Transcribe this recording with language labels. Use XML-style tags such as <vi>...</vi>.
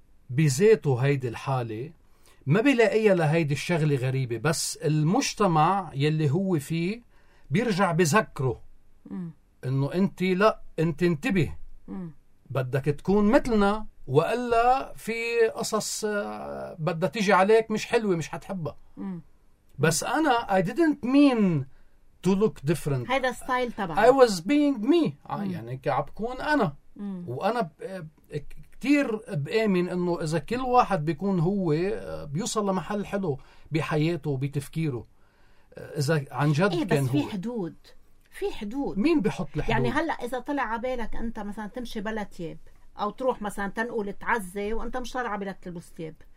<ar>بذاته هيدي الحالة ما بيلاقيها لهيدي الشغلة غريبة، بس المجتمع يلي هو فيه بيرجع بذكره انه انت لا انت انتبه بدك تكون مثلنا وإلا في قصص بدها تيجي عليك مش حلوة مش هتحبها. بس انا</ar> <en>I didn't mean to look different.</en> <ar>هيدا ستايل طبعا.</ar> <en>I was being me.</en> <ar>يعني كعبكون انا. وانا كتير بآمن إنه إذا كل واحد بيكون هو بيوصل لمحل حلو بحياته وبتفكيره إذا عن جد إيه، كان بس هو. في حدود، في حدود. مين بيحط الحدود؟ يعني هلأ إذا طلع عبالك أنت مثلا تمشي بلا تياب أو تروح مثلا تنقل تعزي وأنت مش طالع عبالك تلبس تياب،</ar>